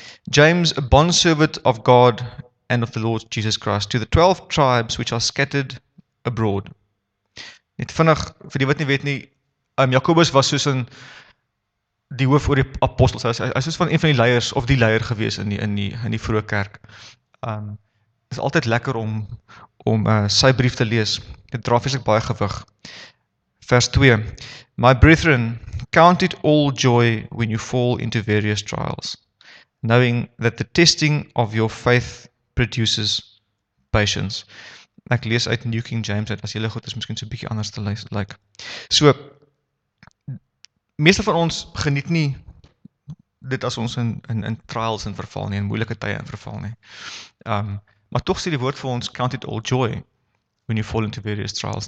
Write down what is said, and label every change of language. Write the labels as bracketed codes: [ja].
[en] James, a bondservant of God and of the Lord Jesus Christ, to the 12 tribes which are scattered abroad. [af] Net vinnig vir die wat nie weet nie, Jakobus was soos 'n die hoof oor die apostels. Hy soos van een van die leiers of die leier gewees in die vroeë kerk. Dit is altyd lekker om sy brief te lees. Dit dra feeslik baie gewig. Vers 2. [en] My brethren, count it all joy when you fall into various trials, knowing that the testing of your faith produces patience. [af] Ek lees uit New King James uit, as julle goed is, miskien so 'n bietjie anders te lees. So, meeste van ons geniet nie dit as ons in trials in verval nie, in moeilike tye in verval nie. Maar toch sê die woord vir ons, [en] count it all joy when you fall into various trials.